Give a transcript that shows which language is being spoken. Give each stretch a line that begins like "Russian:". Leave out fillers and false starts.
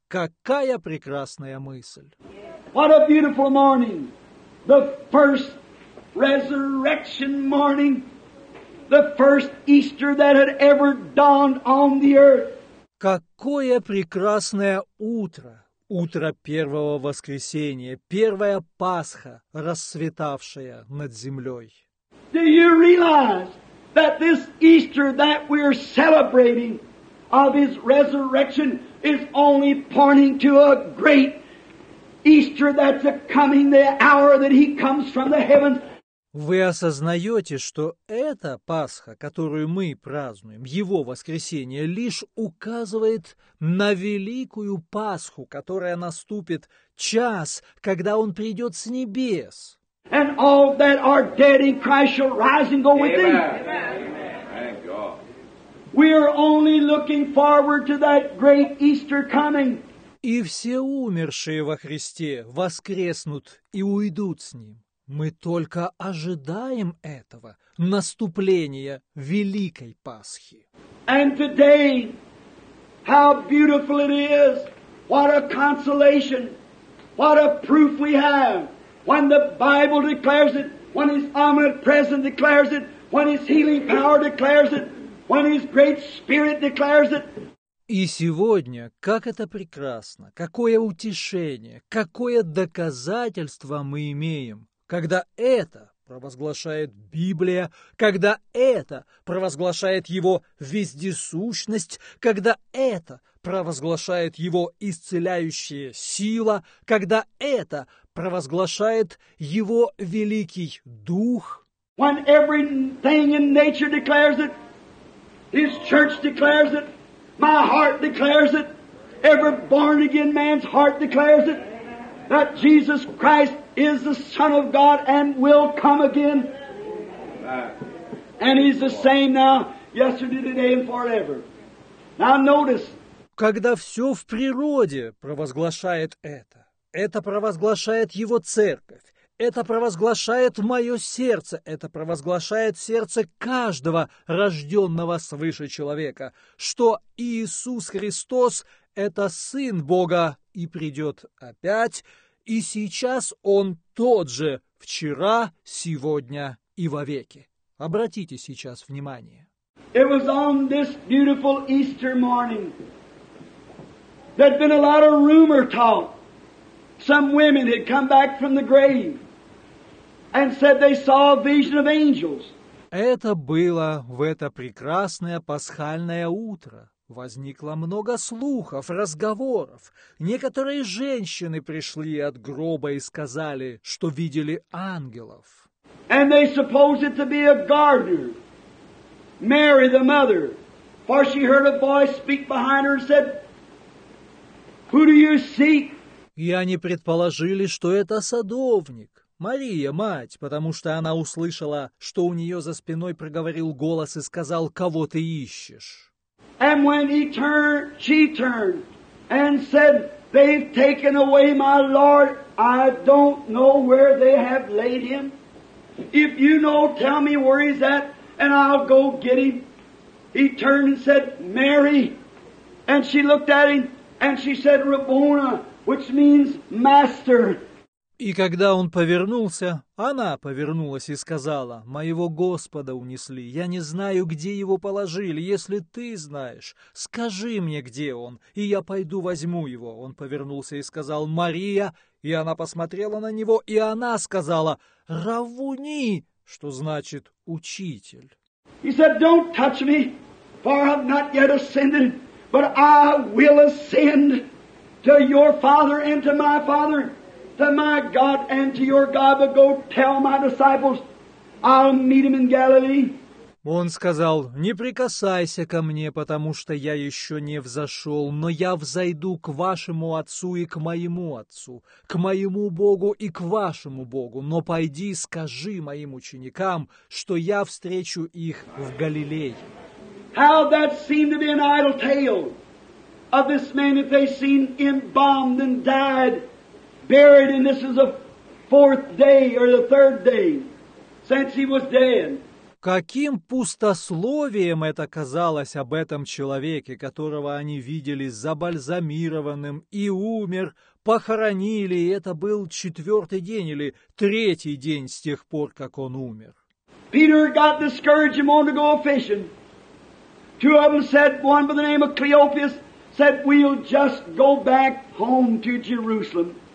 Russian: Какая прекрасная мысль!
English: What a beautiful morning! The first resurrection morning! The first Easter that had ever dawned on the earth.
Russian: Какое прекрасное утро! Утро первого воскресения, первая Пасха, расцветавшая над землей.
English: Do you realize that this Easter that we are celebrating of His resurrection is only pointing to a great Easter that's a coming, the hour that He comes from the heavens?
Russian: Вы осознаете, что эта Пасха, которую мы празднуем, Его воскресение, лишь указывает на великую Пасху, которая наступит час, когда Он придет с небес.
English: And all that are dead in Christ shall rise and go with Him. We are only looking forward to that great Easter coming.
Russian: И все умершие во Христе воскреснут и уйдут с Ним. Мы только ожидаем этого, наступления Великой Пасхи.
English: And today, how beautiful it is! What a consolation! What a proof we have! When the Bible declares it, when His omnipresence declares it, when His healing power declares it, when His great Spirit declares it.
Russian: И сегодня, как это прекрасно! Какое утешение! Какое доказательство мы имеем! Когда это провозглашает Библия, когда это провозглашает Его вездесущность, когда это провозглашает Его исцеляющая сила, когда это провозглашает Его великий Дух.
English: When everything in nature declares it, His church declares it, my heart declares it, every born again man's heart declares it, that Jesus Christ is the Son of God and will come again. And He's the same now, yesterday, today and forever. Now notice.
Russian: Когда все в природе провозглашает это провозглашает Его Церковь, это провозглашает мое сердце, это провозглашает сердце каждого рожденного свыше человека, что Иисус Христос – это Сын Бога и придет опять. И сейчас Он тот же, вчера, сегодня и вовеки. Обратите сейчас внимание.
English: It was on this beautiful Easter morning. There'd been a lot of rumor talk. Some women had come back from the grave and said they saw a vision of angels.
Russian: Это было в это прекрасное пасхальное утро. Возникло много слухов, разговоров. Некоторые женщины пришли от гроба и сказали, что видели ангелов.
English: And they supposed it to be a gardener, Mary the mother, for she heard a voice speak behind her and said, Who do you seek?
Russian: И они предположили, что это садовник, Мария, мать, потому что она услышала, что у нее за спиной проговорил голос и сказал, кого ты ищешь.
English: And when he turned, she turned and said, They've taken away my Lord, I don't know where they have laid him. If you know, tell me where he's at, and I'll go get him. He turned and said, Mary. And she looked at him, and she said, Rabboni, which means master.
Russian: И когда он повернулся, она повернулась и сказала, «Моего Господа унесли, я не знаю, где его положили. Если ты знаешь, скажи мне, где он, и я пойду возьму его». Он повернулся и сказал, «Мария», и она посмотрела на него, и она сказала, «Равуни», что значит «учитель».
English: He said, «Don't touch me, for I have not yet ascended, but I will ascend to your father and to my father». To my God and to your God, but go tell my disciples, I'll meet him in Galilee.
Russian: Он сказал, не прикасайся ко мне, потому что я еще не взошел, но я взойду к вашему отцу и к моему отцу, к моему Богу и к вашему Богу, но пойди скажи моим ученикам, что я встречу их в Галилее.
English: How that seemed to be an idle tale of this man that they seen embalmed and died. Buried, and this is the fourth day or the third day since he was dead.
Russian: Каким пустословием это казалось об этом человеке, которого они видели забальзамированным и умер, похоронили, и это был четвертый день или третий день с тех пор, как он умер.
English: Peter got discouraged and wanted to go fishing. Two of them said, one by the name of Cleopas said, we'll just go back home to Jerusalem.